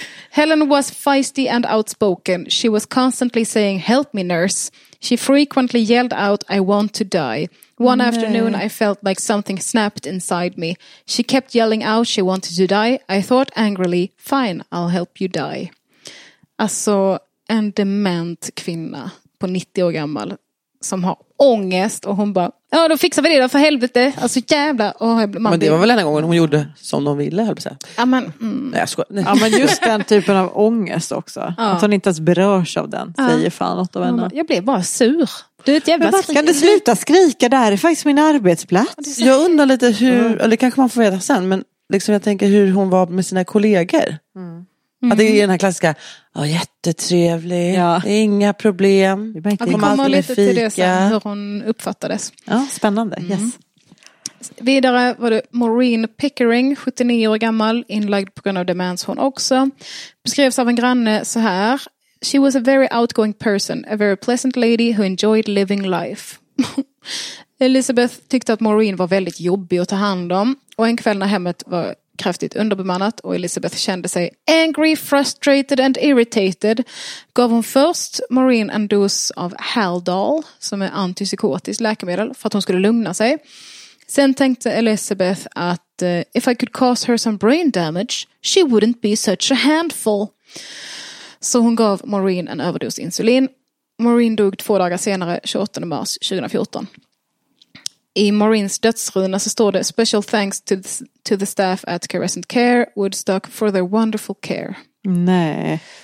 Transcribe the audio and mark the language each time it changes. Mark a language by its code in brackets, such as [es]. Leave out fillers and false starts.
[en] Helen was feisty and outspoken. She was constantly saying, help me nurse. She frequently yelled out, I want to die. One afternoon I felt like something snapped inside me. She kept yelling out, she wanted to die. I thought angrily, fine, I'll help you die. [sv] Alltså... En dement kvinna på 90 år gammal som har ångest och hon bara, ja då fixar vi det då för helvete. Alltså jävla. Oh, man, men det var väl en gång hon gjorde som de ville. Ja men, ja men just den typen av ångest också. Ja. Att hon inte ens berörs av den. Ja. Säger fan åt av henne. Jag blev bara sur. Du är jävla kan du sluta skrika? Det här är faktiskt min arbetsplats. Ja, jag undrar lite hur, eller kanske man får veta sen, men liksom jag tänker hur hon var med sina kollegor. Mm. Att det är den här klassiska, oh, jättetrevlig, ja. Inga problem. Vi kommer lite till det sen, hur hon uppfattades. Ja, spännande, yes. Vidare var det Maureen Pickering, 79 år gammal, inlagd på grund av demens hon också. Beskrevs av en granne så här, [en] she was a very outgoing person, a very pleasant lady who enjoyed living life. [sv] Elizabeth tyckte att Maureen var väldigt jobbig att ta hand om. Och en kväll när hemmet var kraftigt underbemannat och Elizabeth kände sig [en] angry, frustrated and irritated, [sv] gav hon först Maureen en dos av Haldol, som är antipsykotiskt läkemedel, för att hon skulle lugna sig. Sen tänkte Elizabeth att [en] if I could cause her some brain damage, she wouldn't be such a handful. [sv] Så hon gav Maureen en överdos insulin. Maureen dog 2 dagar senare, 28 mars 2014. I Maureens dödsruna så står det [en] special thanks to the staff at Crescent Care Woodstock for their wonderful care. [sv] Nej.